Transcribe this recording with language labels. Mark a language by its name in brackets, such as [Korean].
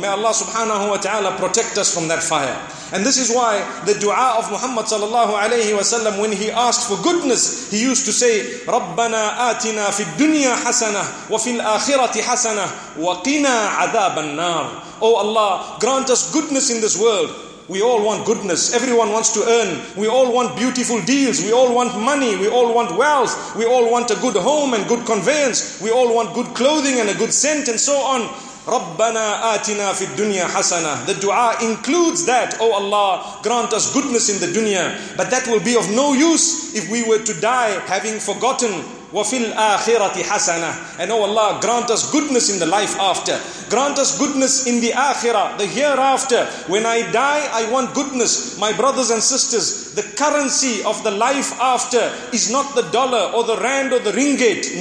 [English] May Allah subhanahu wa ta'ala protect us from that fire. And this is why the dua of Muhammad sallallahu alayhi wa sallam, when he asked for goodness, he used to say, [Arabic] رَبَّنَا آتِنَا فِي الدُّنْيَا حَسَنَةً وَفِي الْآخِرَةِ حَسَنَةً وَقِنَا عَذَابَ النَّارِ. [English] Oh Allah, grant us goodness in this world. We all want goodness. Everyone wants to earn. We all want beautiful deals. We all want money. We all want wealth. We all want a good home and good conveyance. We all want good clothing and a good scent and so on. [Arabic] رَبَّنَا آتِنَا فِي الدُّنْيَا حَسَنَةً. [English] The dua includes that. Oh Allah, grant us goodness in the dunya. But that will be of no use if we were to die having forgotten. [Arabic] وَفِي الْآخِرَةِ حَسَنَةً. [English] And oh Allah, grant us goodness in the life after. Grant us goodness in the akhirah, the hereafter. When I die, I want goodness. My brothers and sisters, the currency of the life after is not the dollar or the rand or the ringgit.